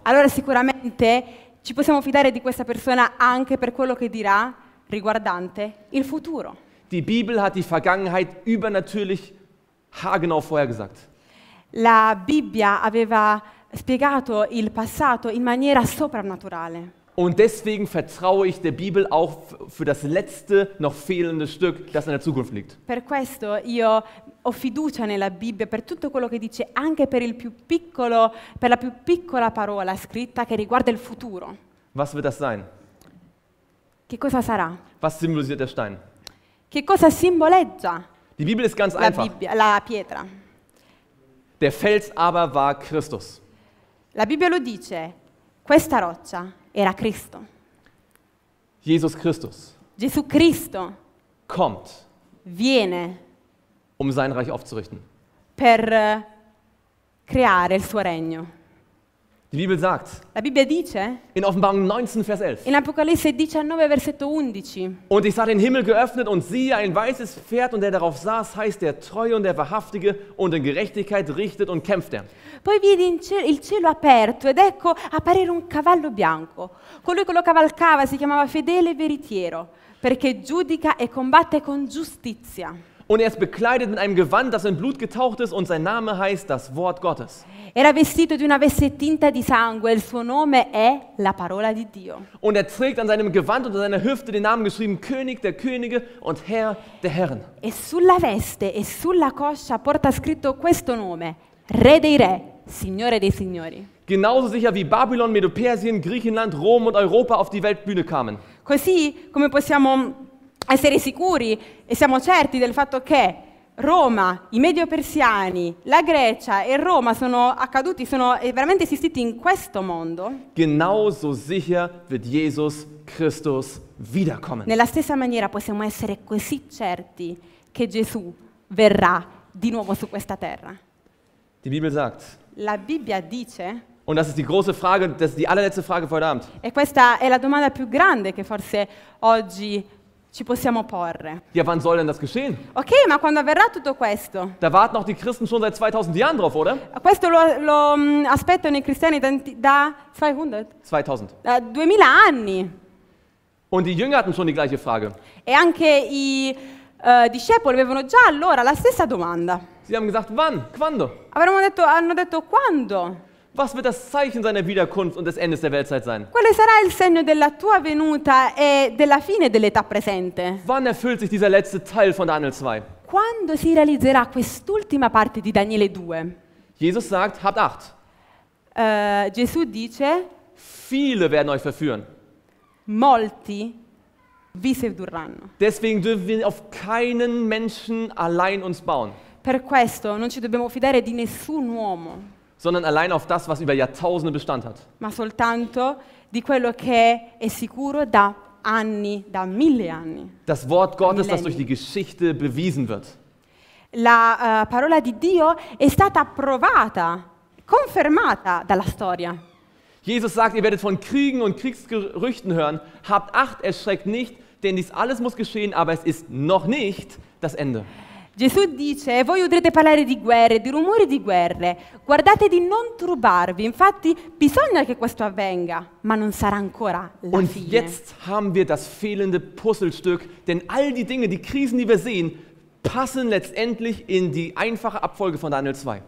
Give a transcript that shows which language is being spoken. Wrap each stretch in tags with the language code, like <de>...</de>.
<it>Allora sicuramente ci possiamo fidare di questa persona anche per quello che dirà riguardante il futuro.</it> <de>Die Bibel hat die Vergangenheit übernatürlich haargenau vorhergesagt.</de> <it>La Bibbia aveva spiegato il passato in maniera soprannaturale.</it> <de>Und deswegen vertraue ich der Bibel auch für das letzte noch fehlende Stück, das in der Zukunft liegt.</de> <it>Per questo io ho fiducia nella Bibbia per tutto quello che dice, anche per il più piccolo, per la più piccola parola scritta che riguarda il futuro.</it> <de>Was wird das sein?</de> <it>Che cosa sarà?</it> <de>Was symbolisiert der Stein?</de> <it>Che cosa simboleggia?</it> <de>Die Bibel ist ganz einfach.</de> <it>La pietra.</it> <de>Der Fels aber war Christus.</de> <it>La Bibbia lo dice. Questa roccia era Cristo.</it> <de>Jesus Christus.</de> <it>Gesù Cristo.</it> <de>Kommt.</de> <it>Viene.</it> <de>Um sein Reich aufzurichten.</de> <it>Per creare il suo regno.</it> <de>Die Bibel sagt.</de> <it>La Bibbia dice.</it> <de>In Offenbarung 19, Vers 11.</de> <it>In Apocalisse 19, versetto 11.</it> <de>Und ich sah den Himmel geöffnet und siehe ein weißes Pferd und der darauf saß heißt der Treue und der Wahrhaftige und in Gerechtigkeit richtet und kämpft er.</de> <it>Poi vidi il cielo aperto ed ecco apparire un cavallo bianco. Colui che lo cavalcava si chiamava fedele veritiero, perché giudica e combatte con giustizia.</it> <de>Und er ist bekleidet mit einem Gewand, das in Blut getaucht ist, und sein Name heißt das Wort Gottes.</de> <it>Era vestito di una veste tinta di sangue, il suo nome è la parola di Dio.</it> <de>Und er trägt an seinem Gewand unter seiner Hüfte den Namen geschrieben König der Könige und Herr der Herren.</de> <it>E sulla veste e sulla coscia porta scritto questo nome, Re dei Re, Signore dei Signori.</it> <de>Genauso sicher wie Babylon, Medo-Persien, Griechenland, Rom und Europa auf die Weltbühne kamen.</de> <it>Così come possiamo essere sicuri e siamo certi del fatto che Roma, i Medio-Persiani, la Grecia e Roma sono accaduti, sono veramente esistiti in questo mondo.</it> <de>Genauso sicher wird Jesus Christus wiederkommen.</de> <it>Nella stessa maniera possiamo essere così certi che Gesù verrà di nuovo su questa terra.</it> <de>Die Bibel sagt.</de> <it>La Bibbia dice.</it> <de>Und das ist die große Frage, das ist die allerletzte Frage für heute Abend.</de> <it>E questa è la domanda più grande che forse oggi ci possiamo porre.</it> <de>Ja, wann soll denn das geschehen?</de> <it>Okay, ma quando avverrà tutto questo?</it> <de>Da warten auch die Christen schon seit 2000 Jahren drauf, oder?</de> <it>Questo lo aspettano i cristiani da 200?</it> <de>2000.</de> <it>Da 2000 anni.</it> <de>Und die Jünger hatten schon die gleiche Frage.</de> <it>E anche i discepoli avevano già allora la stessa domanda.</it> <de>Sie haben gesagt, wann? Quando?</de> <it>Avevano detto, hanno detto quando?</it> <de>Was wird das Zeichen seiner Wiederkunft und des Endes der Weltzeit sein?</de> <it>Quale sarà il segno della tua venuta e della fine dell'età presente?</it> <de>Wann erfüllt sich dieser letzte Teil von Daniel 2?</de> <it>Quando si realizzerà quest'ultima parte di Daniele 2?</it> <de>Jesus sagt, habt acht.</de> <it>Gesù dice,</it> <de>viele werden euch verführen.</de> <it>Molti vi sedurranno.</it> <de>Deswegen dürfen wir auf keinen Menschen allein uns bauen.</de> <it>Per questo non ci dobbiamo fidare di nessun uomo.</it> <de>Sondern allein auf das, was über Jahrtausende Bestand hat.</de> <it>Ma soltanto di quello che è sicuro da anni, da mille anni.</it> <de>Das Wort Gottes, das durch die Geschichte bewiesen wird.</de> <it>La parola di Dio è stata provata, confermata dalla storia.</it> <de>Jesus sagt, ihr werdet von Kriegen und Kriegsgerüchten hören. Habt acht, erschreckt nicht, denn dies alles muss geschehen, aber es ist noch nicht das Ende.</de> <it>Gesù dice, voi udrete parlare di guerre, di rumori di guerre, guardate di non turbarvi, infatti bisogna che questo avvenga, ma non sarà ancora la</it> <de>Und</de> <it>fine.</it> <de>Jetzt haben wir das fehlende Puzzlestück, denn all die Dinge, die Krisen, die wir sehen, passen letztendlich in die einfache Abfolge von Daniel 2.</de>